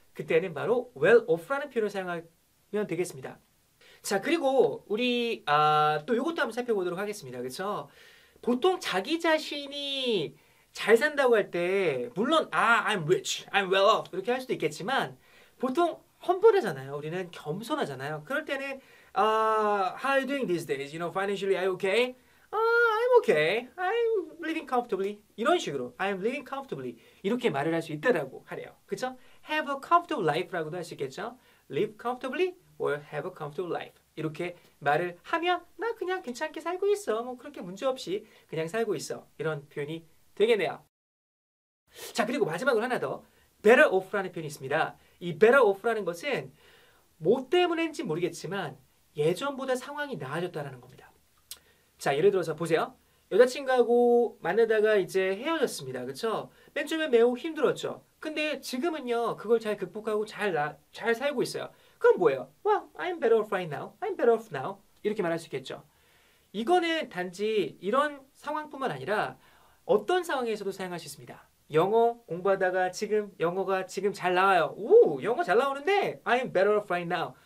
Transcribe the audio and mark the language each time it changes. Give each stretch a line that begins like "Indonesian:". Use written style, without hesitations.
Korean: 그때는 바로 well off라는 표현을 사용하면 되겠습니다. 자, 그리고 우리 또 이것도 한번 살펴보도록 하겠습니다. 그렇죠? 보통 자기 자신이 잘 산다고 할 때 물론 아,
English: I'm rich, I'm well off
Korean: 이렇게 할 수도 있겠지만 보통 humble하잖아요. 우리는 겸손하잖아요. 그럴 때는
English: how are you doing these days? You know, financially, are you okay? I'm okay. I'm living comfortably.
Korean: 이런 식으로,
English: I'm living comfortably.
Korean: 이렇게 말을 할 수 있다라고 하래요. 그쵸?
English: Have a comfortable life
Korean: 라고도 할 수 있겠죠?
English: Live comfortably or have a comfortable life.
Korean: 이렇게 말을 하면, 나 그냥 괜찮게 살고 있어. 뭐 그렇게 문제없이 그냥 살고 있어. 이런 표현이 되겠네요. 자, 그리고 마지막으로 하나 더. Better off라는 표현이 있습니다. 이 better off라는 것은 뭐 때문인지 모르겠지만 예전보다 상황이 나아졌다라는 겁니다. 자, 예를 들어서 보세요. 여자친구하고 만나다가 이제 헤어졌습니다. 그렇죠? 맨 처음에 매우 힘들었죠. 근데 지금은요. 그걸 잘 극복하고 잘 살고 있어요. 그럼 뭐예요?
English: Well, I'm better off right now. I'm better off now.
Korean: 이렇게 말할 수 있겠죠. 이거는 단지 이런 상황뿐만 아니라 어떤 상황에서도 사용할 수 있습니다. 영어 공부하다가 지금 영어가 지금 잘 나와요. 오! 영어 잘 나오는데
English: I'm better off right now.